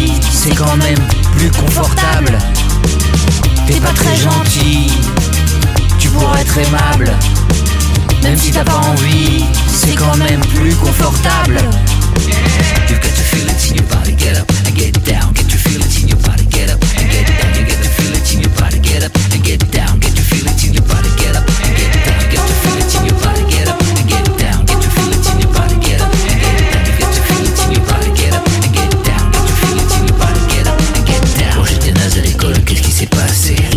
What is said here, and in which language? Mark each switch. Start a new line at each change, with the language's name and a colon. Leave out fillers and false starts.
French: C'est quand même plus confortable. T'es pas très gentil. Tu pourrais être aimable. Même si t'as pas envie, c'est quand même plus confortable.
English: You got to feel it in your body, get up and get down. Get to feel it in your body, get up and get down. You got to feel it in your body, get up and get down. Get to feel it in your body, get up and get down. You got to feel it in your body, get up and get down. Get to feel it in your body, get up and get down. You got to feel it in your body, get up and get down. Get to feel it in your body, get up and get down.
French: Oh, j'étais naze à l'école, qu'est-ce qui s'est passé?